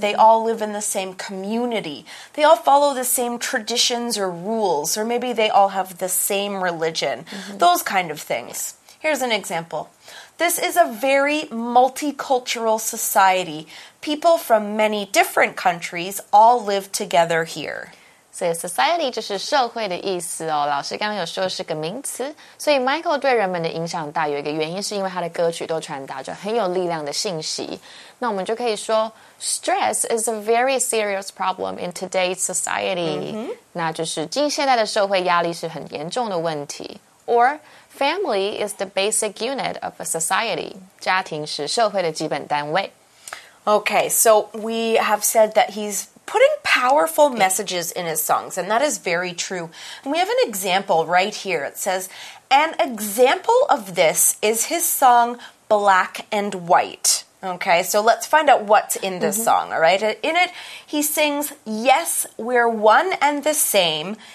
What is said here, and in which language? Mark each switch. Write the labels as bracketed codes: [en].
[en] They all live in the same community. They all follow the same traditions or rules, or maybe they all have the same religion. Those kind of things. Here's an example. This is a very multicultural society. People from many different countries all live together here. [zh] 所以 society 就是社会的意思哦。老师刚刚有说是个名词，所以 Michael 对人们的影响大，有一个原因是因为他的歌曲都传达着很有力量的信息。那我们就可以说 [en] stress is a very serious problem in today's society. [zh] 那就是近现代的社会压力是很严重的问题。 [en] Or family is the basic unit of a society. [zh] 家庭是社会的基本单位。 [en] Okay, so we have said that he's putting powerful messages in his songs, and that is very true. And we have an example right here. It says, an example of this is his song Black and White. Okay, so let's find out what's in this song, all right? In it, he sings, "Yes, we're one and the same.